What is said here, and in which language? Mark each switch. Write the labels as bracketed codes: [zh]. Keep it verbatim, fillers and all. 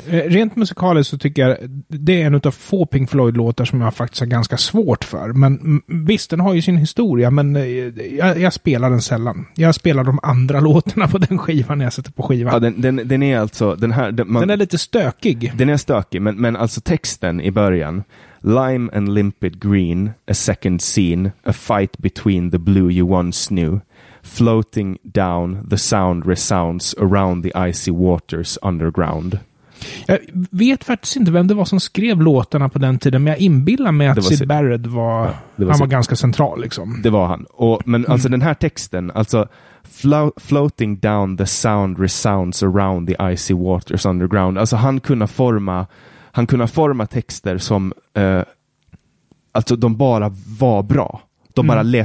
[sv] Rent musikaliskt så tycker jag det är en av få Pink Floyd-låtar som jag faktiskt har ganska svårt för. Men visst, den har ju sin historia, men jag, jag spelar den sällan. Jag spelar de andra låtarna på den skivan när jag sätter på skivan. Ja, den, den, den är alltså... Den, här, den, man, den är lite stökig. Den är stökig, men, men alltså texten i början... [en] Lime and limpid green, a second scene, a fight between the blue you once knew. Floating down, the sound resounds around the icy waters underground. [sv] Jag vet faktiskt inte vem det var som skrev låtarna på den tiden, men jag inbillar mig att Syd Barrett var, ja, var, han var ganska central liksom. Det var han. Och, men alltså mm. den här texten, alltså flo- [en] floating down, the sound resounds around the icy waters underground. [sv] Alltså han kunde forma Han kunde forma texter som eh, alltså de bara var bra. De bara mm.